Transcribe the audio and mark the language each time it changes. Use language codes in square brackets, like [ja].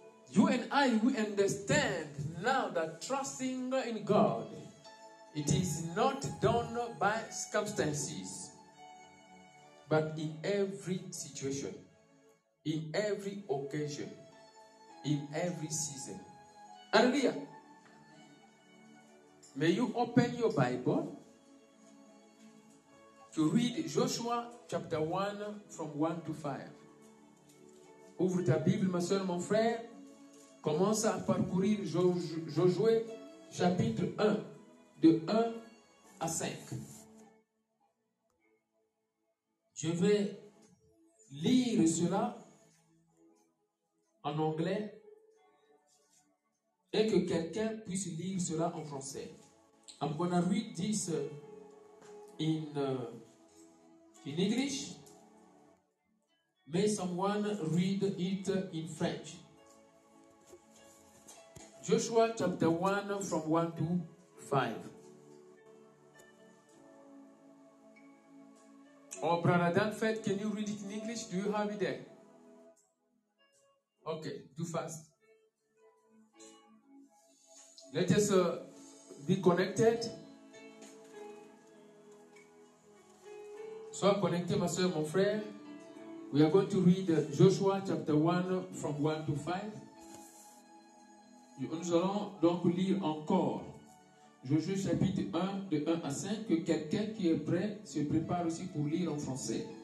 [en] You and I, we understand now that trusting in God, it is not done by circumstances, but in every situation, in every occasion, in every season. Hallelujah. May you open your Bible to read Joshua chapter 1 from 1 to 5. [fr] Ouvre ta Bible, ma soeur, mon frère. Commence à parcourir Josué chapitre 1, de 1 à 5. Je vais lire cela en anglais et que quelqu'un puisse lire cela en français. [en] I'm going to read this in English. May someone read it in French. Joshua chapter 1 from 1 to 5. Oh, Brother Dan Fett, can you read it in English? Do you have it there? Okay, too fast. Let us be connected. [fr] Sois connecté, ma soeur, mon frère. [en] We are going to read Joshua chapter 1 from 1 to 5. [fr] Nous allons donc lire encore Joshua chapitre 1 de 1 à 5. Que quelqu'un qui est prêt se prépare aussi pour lire en français.